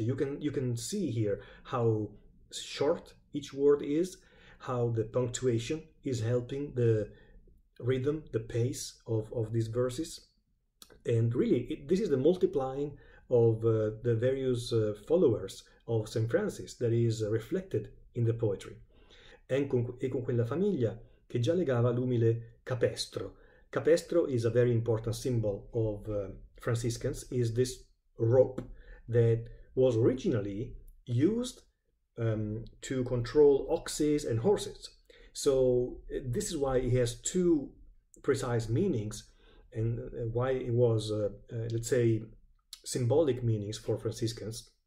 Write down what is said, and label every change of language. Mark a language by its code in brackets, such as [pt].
[en] You can see here how short each word is, how the punctuation is helping the rhythm, the pace of these verses. And really, this is the multiplying of the various followers of Saint Francis that is reflected in the poetry. [it] E con quella famiglia che già legava l'umile capestro. [en] Capestro is a very important symbol of Franciscans, is this rope that was originally used to control oxes and horses. So this is why it has two precise meanings, and why it was, let's say, symbolic meanings for Franciscans.